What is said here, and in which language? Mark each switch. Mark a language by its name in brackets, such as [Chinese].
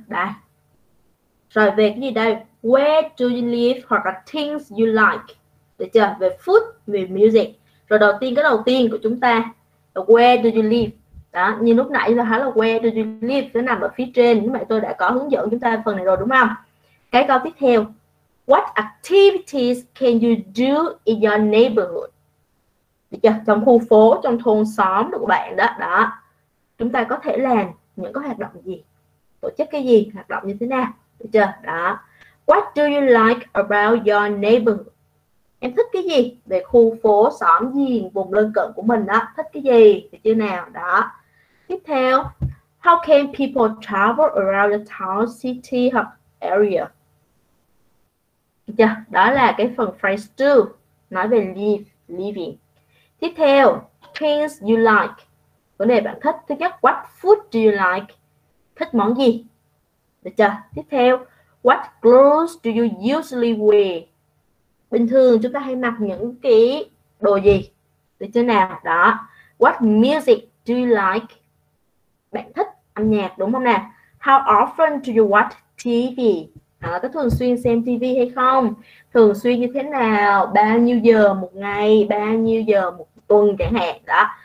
[Vietnamese] Đây. Rồi về cái gì đây? [English] Where do you live [Vietnamese] hoặc là [English] things you like? [Vietnamese] Được chưa? Về food, về music. Rồi đầu tiên, cái đầu tiên của chúng ta là [English] where do you live? [Vietnamese] Đó, như lúc nãy chúng ta nói là [English] where do you live, [Vietnamese] nó nằm ở phía trên. Như vậy tôi đã có hướng dẫn chúng ta phần này rồi đúng không? Cái câu tiếp theo. [English] What activities can you do in your neighborhood? [Vietnamese] Trong khu phố, trong thôn xóm của bạn đó, đó chúng ta có thể làm những cái hoạt động gì, tổ chức cái gì, hoạt động như thế nào, được chưa? Đó. [English] What do you like about your neighborhood? [Vietnamese] Em thích cái gì về khu phố, xóm gì, vùng lân cận của mình đó, thích cái gì, được chưa nào? Đó. Tiếp theo, [English] how can people travel around the town, city [Vietnamese] hoặc [English] area? [Vietnamese] Được chưa? Đó là cái phần phrase 2, nói về living. Tiếp theo, things you like. Vấn đề bạn thích. Thứ nhất, [English] what food do you like? [Vietnamese] Thích món gì? Được chưa? [English] Tiếp theo, what clothes do you usually wear? [Vietnamese] Bình thường chúng ta hay mặc những cái đồ gì? Được chưa nào? Đó. [English] What music do you like? [Vietnamese] Bạn thích âm nhạc đúng không nào? [English] How often do you watch TV? [Vietnamese] Có thường xuyên xem TV hay không? Thường xuyên như thế nào? Bao nhiêu giờ một ngày? Bao nhiêu giờ một tuần chẳng hạn? Đó.